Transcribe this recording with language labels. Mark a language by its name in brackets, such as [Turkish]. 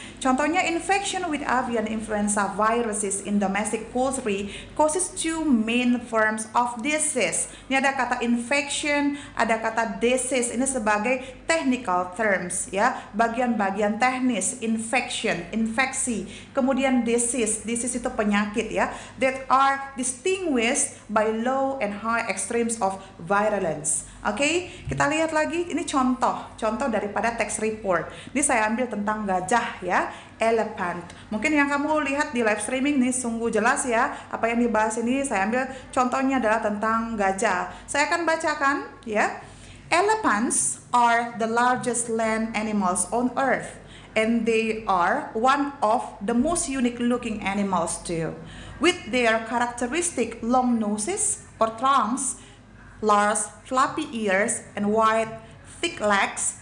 [English] Contohnya infection with avian influenza viruses in domestic poultry causes two main forms of disease. [Indonesian] Ini ada kata infection, ada kata disease. Ini sebagai technical terms ya, bagian-bagian teknis. Infection, infeksi, kemudian disease. [English] Disease itu penyakit ya, that are distinguished by low and high extremes of virulence. [Indonesian] Oke, kita lihat lagi, ini contoh daripada text report. Ini saya ambil tentang gajah ya, elephant. Mungkin yang kamu lihat di live streaming nih sungguh jelas ya, apa yang dibahas ini. Saya ambil contohnya adalah tentang gajah. Saya akan bacakan ya. [English] Elephants are the largest land animals on earth, and they are one of the most unique looking animals too, with their characteristic long noses or trunks, large floppy ears, and wide thick legs.